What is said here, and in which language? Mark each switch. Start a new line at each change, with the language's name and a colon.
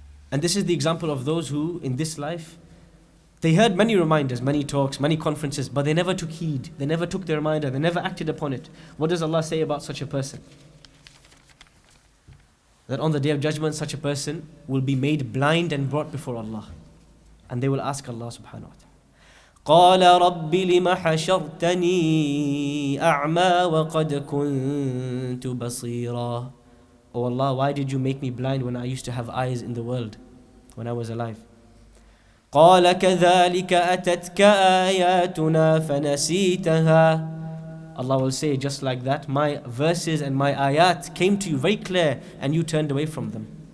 English: And this is the example of those who, in this life, they heard many reminders, many talks, many conferences, but they never took heed. They never took the reminder. They never acted upon it. What does Allah say about such a person? That on the day of judgment, such a person will be made blind and brought before Allah. And they will ask Allah subhanahu wa ta'ala.
Arabic: قَالَ رَبِّ لِمَ حَشَرْتَنِي أَعْمَى وَقَدْ كُنْتُ بَصِيرًا.
English: Oh Allah, why did you make me blind when I used to have eyes in the world, when I was alive?
Arabic: قَالَ كَذَلِكَ أَتَتْكَ آيَاتُنَا فَنَسِيتَهَا.
English: Allah will say, just like that, my verses and my ayat came to you very clear and you turned away from them.